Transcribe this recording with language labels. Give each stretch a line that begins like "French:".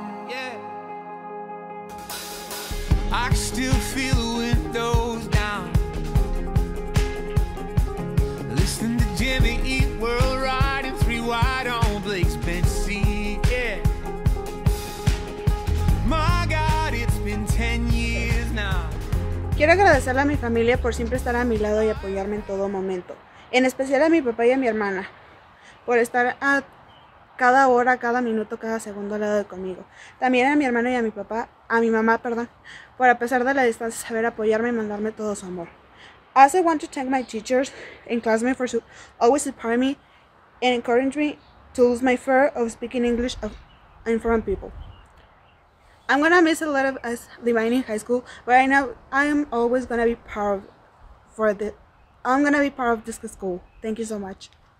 English: Yeah. I still feel the windows down. Listen to Jimmy Eat World riding three wide on Blake's bench seat. Yeah. My God, it's been 10 years now.
Spanish: Quiero agradecerle a mi familia por siempre estar a mi lado y apoyarme en todo momento. En especial a mi papá y a mi hermana, por estar a cada hora, cada minuto, cada segundo al lado de conmigo. También a mi hermano y a mi mamá, por a pesar de la distancia saber apoyarme y mandarme todo su amor.
English: I also want to thank my teachers and classmates for always supporting me and encouraging me to lose my fear of speaking English in front of people. I'm gonna miss a lot of us leaving in high school, but I know I'm always gonna be proud of this school. Thank you so much.